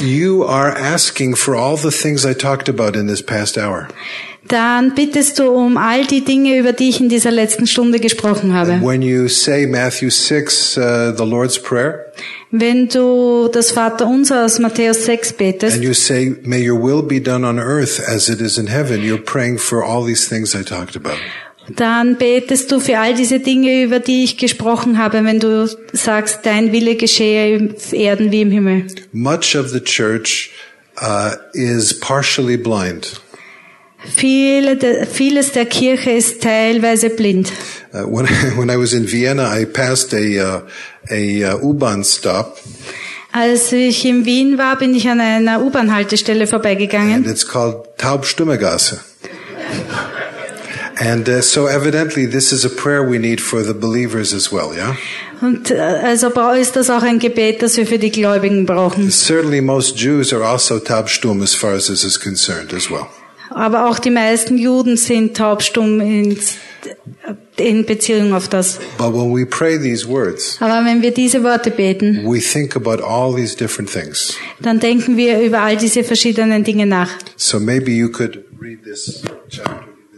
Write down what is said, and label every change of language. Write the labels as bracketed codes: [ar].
[en] you are asking for all the things I talked about in this past hour. [de] Dann bittest du um all die Dinge, über die ich in dieser letzten Stunde gesprochen habe. [en] When you say Matthew 6, the Lord's Prayer, [de] wenn du das Vaterunser aus Matthäus 6 betest, [en] and you say, may your will be done on earth as it is in heaven, you're praying for all these things I talked about. [de] Dann betest du für all diese Dinge, über die ich gesprochen habe, wenn du sagst, dein Wille geschehe auf Erden wie im Himmel. [en] Much of the church is partially blind. [de] Vieles der Kirche ist teilweise blind. [en] When I was in Vienna, I passed a U-Bahn stop. [de] Als ich in Wien war, bin ich an einer U-Bahn-Haltestelle vorbeigegangen. [en] And it's called Taubstummegasse. And so evidently this is a prayer we need for the believers as well, yeah? [de] Und also ist das auch ein Gebet, das wir für die Gläubigen brauchen. [en] Certainly most Jews are also taubstumm as far as this is concerned as well. [de] Aber auch die meisten Juden sind taubstumm in Beziehung auf das. [en] But when we pray these words, [de] aber wenn wir diese Worte beten, [en] we think about all these different things. [de] Dann denken wir über all diese verschiedenen Dinge nach. [en] So maybe you could read this chapter.